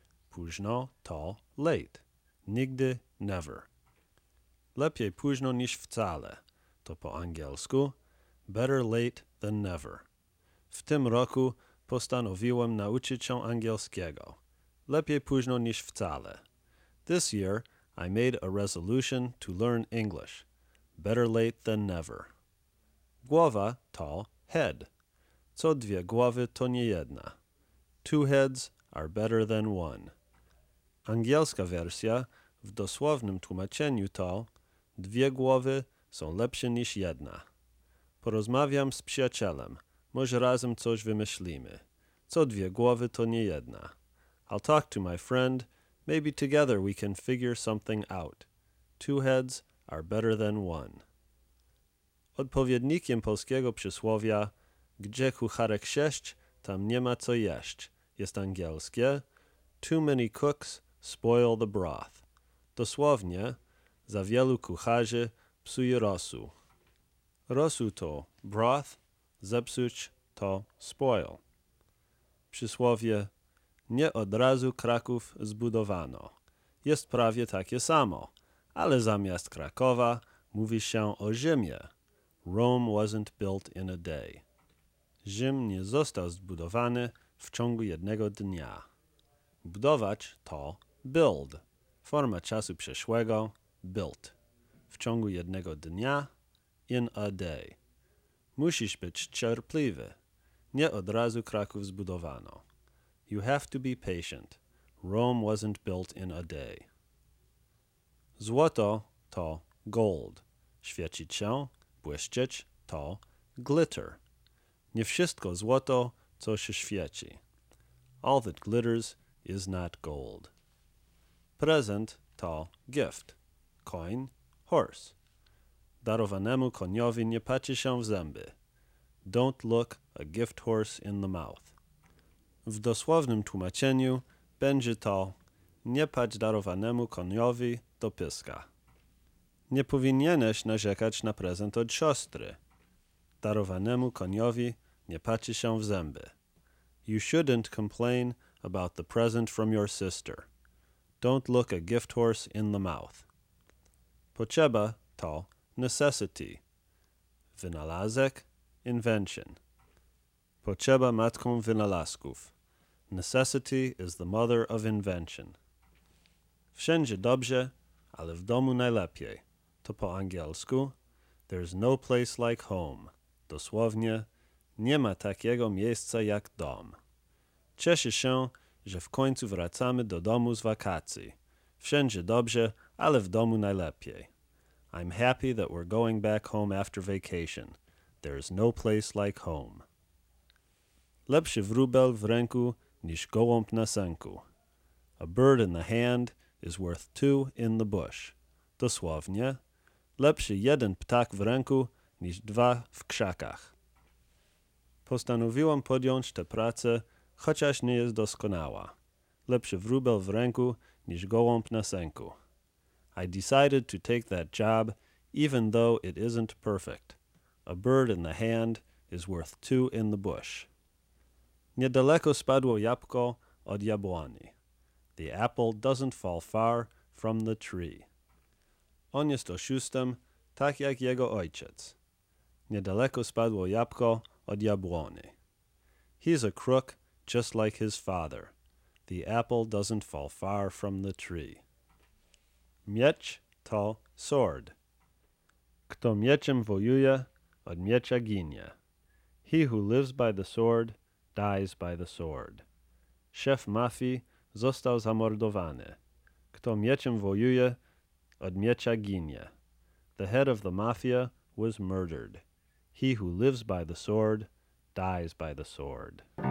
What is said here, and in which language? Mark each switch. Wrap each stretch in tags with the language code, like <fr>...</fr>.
<pl>Późno to late, nigdy never. Lepiej późno niż wcale, to po angielsku</pl> <en>better late than never.</en> <pl>W tym roku postanowiłem nauczyć się angielskiego. Lepiej późno niż wcale.</pl> <en>This year, I made a resolution to learn English. Better late than never.</en> <pl>Głowa to</pl> <en>head.</en> <pl>Co dwie głowy to nie jedna.</pl> <en>Two heads are better than one.</en> <pl>Angielska wersja w dosłownym tłumaczeniu to dwie głowy są lepsze niż jedna. Porozmawiam z przyjacielem. Może razem coś wymyślimy. Co dwie głowy to nie jedna.</pl> <en>I'll talk to my friend. Maybe together we can figure something out. Two heads are better than one.</en> <pl>Odpowiednikiem polskiego przysłowia gdzie kucharek sześć, tam nie ma co jeść jest angielskie</pl> <en>too many cooks spoil the broth.</en> <pl>Dosłownie za wielu kucharzy psuje rosół. Rosół to broth, zepsuć to spoil. Przysłowie nie od razu Kraków zbudowano. Jest prawie takie samo, ale zamiast Krakowa mówi się o Rzymie.</pl> <en>Rome wasn't built in a day.</en> <pl>Rzym nie został zbudowany w ciągu jednego dnia. Budować to build. Forma czasu przeszłego built. W ciągu jednego dnia</pl> <en>in a day.</en> <pl>Musisz być cierpliwy. Nie od razu Kraków zbudowano.</pl> <en>You have to be patient. Rome wasn't built in a day.</en> <pl>Złoto to gold. Świecić się, błyszczeć to glitter. Nie wszystko złoto, co się świeci.</pl> <en>All that glitters is not gold. Present to gift. Coin, horse.</en> <pl>Darowanemu koniowi nie patrzy się w zęby.</pl> <en>Don't look a gift horse in the mouth.</en> <pl>W dosłownym tłumaczeniu będzie to nie patrz darowanemu koniowi do pyska. Nie powinieneś narzekać na prezent od siostry. Darowanemu koniowi nie patrzy się w zęby.</pl> <en>You shouldn't complain about the present from your sister. Don't look a gift horse in the mouth.</en> <pl>Potrzeba to necessity. Wynalazek, invention. Potrzeba matką wynalazków.</pl> <en>Necessity is the mother of invention.</en> <pl>Wszędzie dobrze, ale w domu najlepiej. To po angielsku.</pl> <en>There's no place like home.</en> <pl>Dosłownie, nie ma takiego miejsca jak dom. Cieszę się, że w końcu wracamy do domu z wakacji. Wszędzie dobrze, ale w domu najlepiej.</pl> <en>I'm happy that we're going back home after vacation. There's no place like home.</en> <pl>Lepszy wróbel w ręku niż gołąb na sęku.</pl> <en>A bird in the hand is worth two in the bush.</en> <pl>Dosłownie, lepszy jeden ptak w ręku niż dwa w krzakach. Postanowiłam podjąć tę pracę, chociaż nie jest doskonała. Lepszy wróbel w ręku niż gołąb na sęku.</pl> <en>I decided to take that job, even though it isn't perfect. A bird in the hand is worth two in the bush.</en> <pl>Niedaleko spadło jabłko od jabłoni.</pl> <en>The apple doesn't fall far from the tree.</en> <pl>On jest oszustem, tak jak jego ojciec. Niedaleko spadło jabłko od jabłoni.</pl> <en>He's a crook just like his father. The apple doesn't fall far from the tree.</en> <pl>Miecz to sword. Kto mieczem wojuje, od miecza ginie.</pl> <en>He who lives by the sword dies by the sword.</en> <pl>Szef mafii został zamordowany. Kto mieczem wojuje, od miecza ginie.</pl> <en>The head of the mafia was murdered. He who lives by the sword dies by the sword.</en>